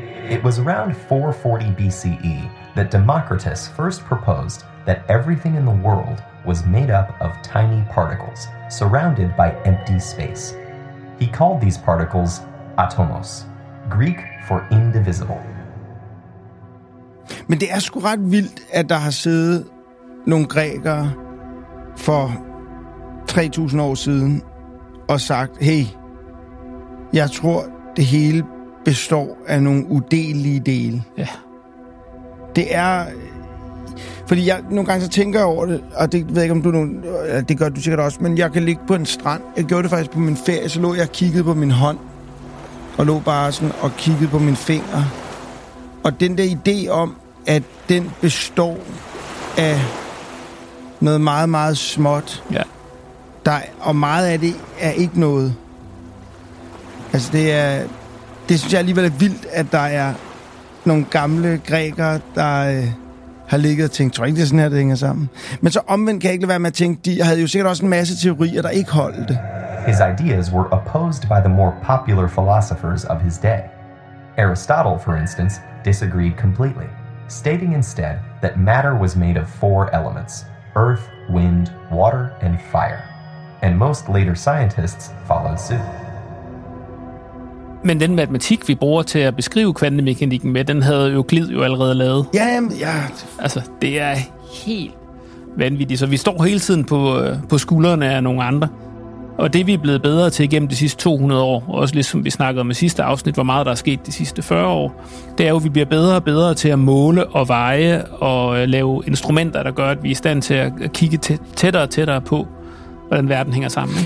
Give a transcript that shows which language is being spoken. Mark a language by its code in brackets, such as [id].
[en] It was around 440 BCE that Democritus first proposed that everything in the world was made up of tiny particles surrounded by empty space. He called these particles atomos, Greek for indivisible. [da] Men det er sgu ret vildt, at der har siddet nogle grækere for 3.000 år siden og sagt, hey, jeg tror, det hele består af nogle udelige dele. Ja. Det er... Fordi jeg nogle gange så tænker jeg over det, og det ved jeg ikke, om du nu... Det gør du sikkert også, men jeg kan ligge på en strand. Jeg gjorde det faktisk på min ferie, så lå jeg kigget på min hånd. Og lå bare sådan og kiggede på mine fingre. Og den der idé om, at den består af noget meget, meget småt. Ja. Og meget af det er ikke noget. Altså det synes jeg alligevel er vildt, at der er nogle gamle grækere, der har ligget og tænkt, tror ikke, det er sådan her, det hænger sammen. Men så omvendt kan jeg ikke lade være med at tænke, de havde jo sikkert også en masse teorier, der ikke holdt. [en] His ideas were opposed by the more popular philosophers of his day. Aristotle, for instance, disagreed completely, stating instead that matter was made of four elements, earth, wind, water, and fire. And most later scientists followed suit. [da] Men den matematik, vi bruger til at beskrive kvantemekanikken med, den havde Euklid jo allerede lavet. Jamen, ja. Altså, det er helt vanvittigt. Så vi står hele tiden på skuldrene af nogle andre. Og det, vi er blevet bedre til gennem de sidste 200 år, også ligesom vi snakkede om i sidste afsnit, hvor meget der er sket de sidste 40 år, det er jo, vi bliver bedre og bedre til at måle og veje og lave instrumenter, der gør, at vi er i stand til at kigge tættere og tættere på, hvordan verden hænger sammen.